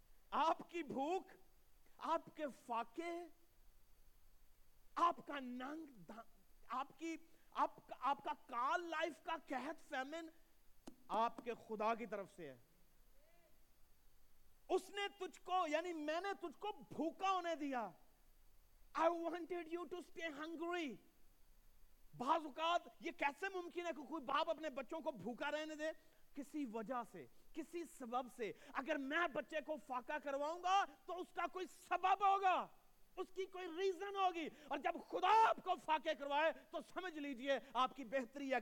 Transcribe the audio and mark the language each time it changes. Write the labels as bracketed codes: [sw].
[ur] آپ کی بھوک, آپ کے فاقے, آپ کا ننگ, آپ کا کال لائف کا قحط, فیمن آپ کے خدا کی طرف سے ہے. اس نے تجھ کو, یعنی میں نے تجھ کو بھوکا ہونے دیا. [en] I wanted you to stay hungry. [ur] بعض اوقات یہ کیسے ممکن ہے کہ کوئی باپ اپنے بچوں کو بھوکا رہنے دے؟ کسی وجہ سے, کسی سبب سے. اگر میں بچے کو فاقہ کرواؤں گا تو اس کا کوئی سبب ہوگا, اس کی کوئی ریزن ہوگی. اور جب خدا آپ کو فاقے کروائے تو سمجھ لیجئے آپ کی بہتری ہے.